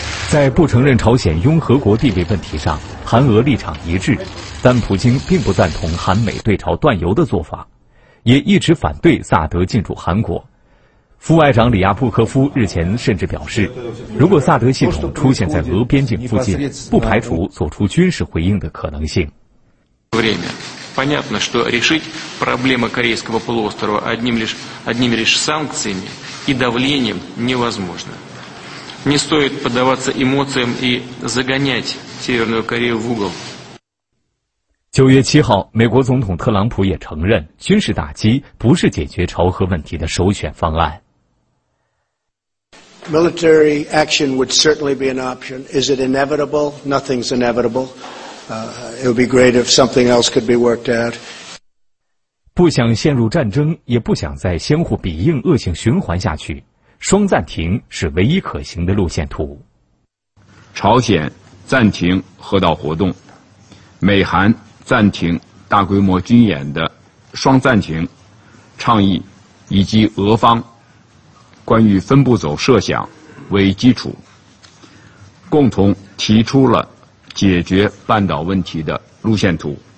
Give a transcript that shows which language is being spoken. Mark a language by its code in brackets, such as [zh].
[zh] 在不承认朝鲜拥核国地位问题上，韩俄立场一致，但普京并不赞同韩美对朝断油的做法，也一直反对萨德进驻韩国。副外长李亚布科夫日前甚至表示，如果萨德系统出现在俄边境附近，不排除做出军事回应的可能性。 [ru] Понятно, что решить проблемы Корейского полуострова одним лишь санкциями и давлением невозможно. Не стоит поддаваться эмоциям и загонять Северную Корею в угол. [zh] 9月7号，美国总统特朗普也承认，军事打击不是解决朝核问题的首选方案。 [en] Military action would certainly be an option. Is it inevitable? Nothing's inevitable. It would be great if something else could be worked out. [zh] 不想陷入战争，也不想再相互比应恶性循环下去，双暂停是唯一可行的路线图。朝鲜暂停核导活动，美韩暂停大规模军演的双暂停倡议，以及俄方关于分步走设想为基础，共同提出了解决半岛问题的路线图。